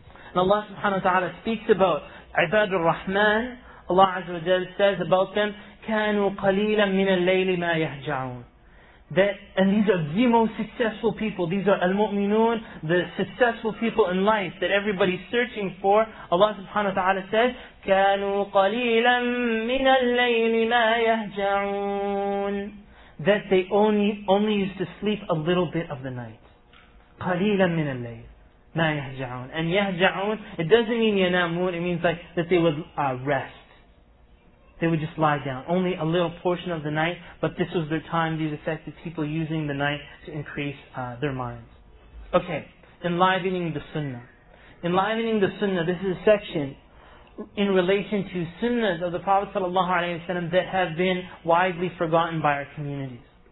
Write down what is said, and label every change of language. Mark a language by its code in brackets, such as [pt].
[en] And Allah subhanahu wa ta'ala speaks about Ibad al-Rahman. Allah azza wa jal says about them, [ar] كانوا قليلا من الليل ما يهجعون. [en] That, and these are the most successful people. These are al-mu'minun, the successful people in life that everybody's searching for. Allah subhanahu wa ta'ala says, [ar] كانوا قليلا من الليل ما يهجعون. [en] That they only used to sleep a little bit of the night. [ar] قليلا من الليل ما يهجعون. [en] And يهجعون, it doesn't mean ينامون, it means like that they would rest. They would just lie down, only a little portion of the night, but this was their time, these affected people using the night to increase their minds. Okay, enlivening the sunnah. Enlivening the sunnah, this is a section in relation to sunnahs of the Prophet sallallahu alaihi wasallam that have been widely forgotten by our communities.